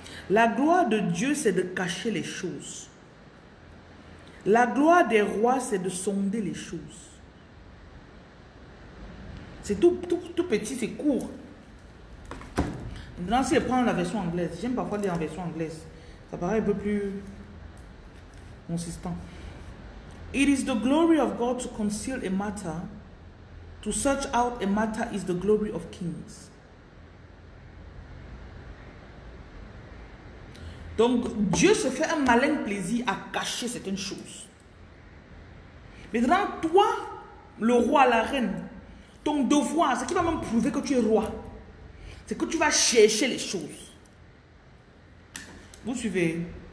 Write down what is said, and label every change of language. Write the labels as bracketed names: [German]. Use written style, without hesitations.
[French] La gloire de Dieu, c'est de cacher les choses. La gloire des rois, c'est de sonder les choses. C'est tout petit, c'est court. Maintenant, si je prends la version anglaise, j'aime parfois dire en version anglaise. Ça paraît un peu plus. consistant. [English] It is the glory of God to conceal a matter, to search out a matter is the glory of kings. [French] Donc Dieu se fait un malin plaisir à cacher certaines choses. Maintenant, toi, le roi, la reine, ton devoir, ce qui va même prouver que tu es roi, c'est que tu vas chercher les choses. Vous suivez?